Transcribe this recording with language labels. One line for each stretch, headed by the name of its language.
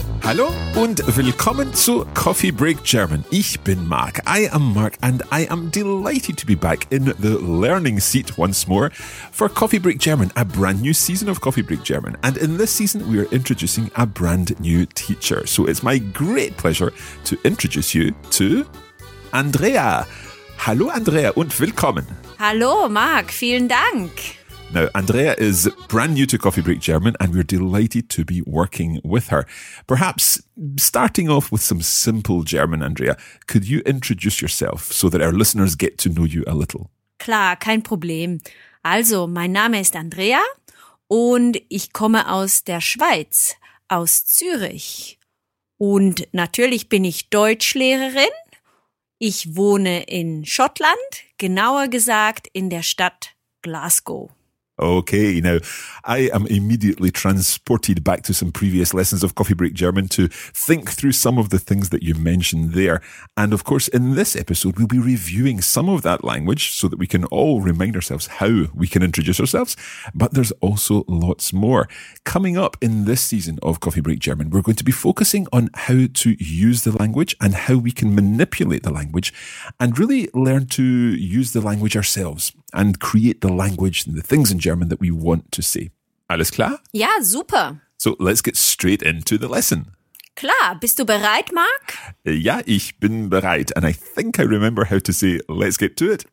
German: Hallo und willkommen zu Coffee Break German. Ich bin Mark.
English: I am Mark and I am delighted to be back in the learning seat once more for Coffee Break German, a brand new season of Coffee Break German. And in this season, we are introducing a brand new teacher. So it's my great pleasure to introduce you to Andrea.
German: Hallo Andrea und willkommen. Hallo Mark, vielen Dank.
English: Now, Andrea is brand new to Coffee Break German, and we're delighted to be working with her. Perhaps starting off with some simple German, Andrea, could you introduce yourself so that our listeners get to know you a little?
German: Klar, kein Problem. Also, mein Name ist Andrea und ich komme aus der Schweiz, aus Zürich. Und natürlich bin ich Deutschlehrerin. Ich wohne in Schottland, genauer gesagt in der Stadt Glasgow.
English: Okay, now I am immediately transported back to some previous lessons of Coffee Break German to think through some of the things that you mentioned there. And of course, in this episode, we'll be reviewing some of that language so that we can all remind ourselves how we can introduce ourselves. But there's also lots more. Coming up in this season of Coffee Break German, we're going to be focusing on how to use the language and how we can manipulate the language and really learn to use the language ourselves and create the language and the things in German that we want to say.
German: Alles klar? Ja, super.
English: So let's get straight into the lesson.
German: Klar, bist du bereit, Mark? Ja, ich bin bereit.
English: And I think I remember how to say let's get to it.